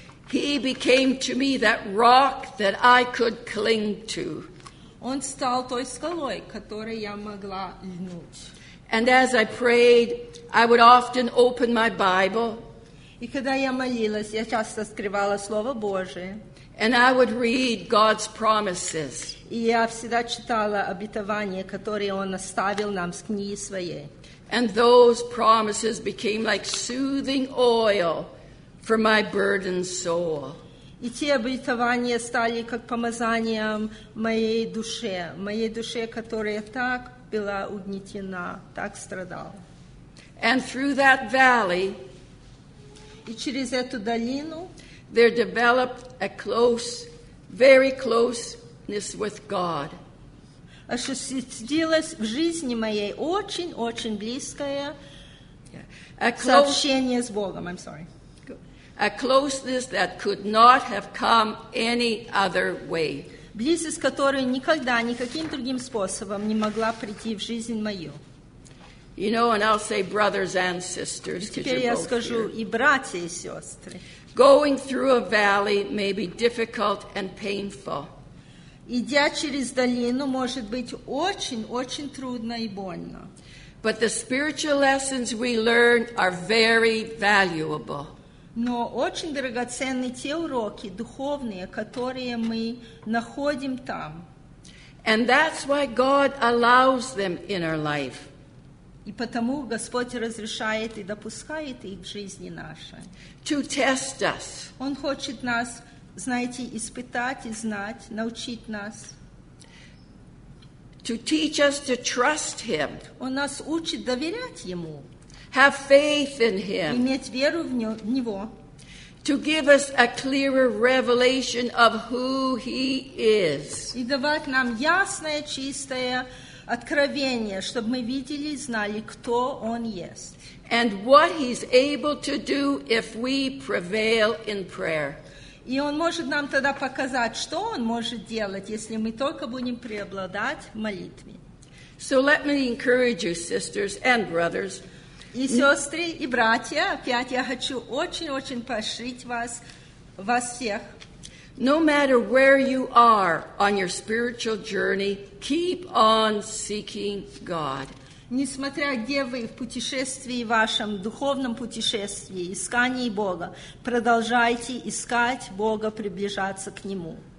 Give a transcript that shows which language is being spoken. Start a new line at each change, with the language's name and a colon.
English: He became to me that rock that I could cling to.
Russian: Он стал той скалой, которой я могла льнуть.
English: And as I prayed, I would often open my Bible.
Russian: И когда я молилась, я часто открывала Слово Божие.
English: And I would read God's promises.
Russian: И я всегда читала обетования, которые Он оставил нам с книги Своей.
English: And those promises became like soothing oil for my burdened soul.
Russian: И те обетования стали как помазанием моей душе, которая так была угнетена, так страдала.
English: And through that valley,
Russian: и через эту долину,
English: there developed a close, very closeness with God.
Russian: Осуществилось в жизни моей очень-очень близкое сообщение с Богом.
English: I'm sorry. A closeness that could not have come any other way.
Russian: Близость, которая никогда, никаким другим способом не могла прийти в жизнь мою.
English: You know, and I'll say brothers and sisters, because you're both here.
Russian: Теперь я скажу и братья, и сестры.
English: Going through a valley may be difficult and painful.
Russian: Идя через долину может быть очень-очень трудно и больно.
English: But the spiritual lessons we learn are very valuable.
Russian: Но очень драгоценны те уроки духовные, которые мы находим там.
English: And that's why God allows them in our life.
Russian: И потому Господь разрешает и допускает их в жизни нашей.
English: To test us.
Russian: Он хочет нас, знаете, испытать и знать, научить нас.
English: To teach us to trust him.
Russian: Он нас учит доверять Ему.
English: Have faith in him.
Russian: Иметь веру в Него.
English: to give us a clearer revelation of who he is.
Russian: И давать нам ясное, чистое откровение, чтобы мы видели и знали, кто он есть.
English: And what he's able to do if we prevail in prayer.
Russian: И он может нам тогда показать, что он может делать, если мы только будем преобладать в молитве.
English: So let me encourage you, sisters and brothers.
Russian: И сестры, и братья, опять я хочу очень-очень поощрить вас, вас всех.
English: No matter where you are on your spiritual journey, keep on seeking God.
Russian: Несмотря где вы в путешествии вашем, духовном путешествии, искании Бога, продолжайте искать Бога, приближаться к Нему.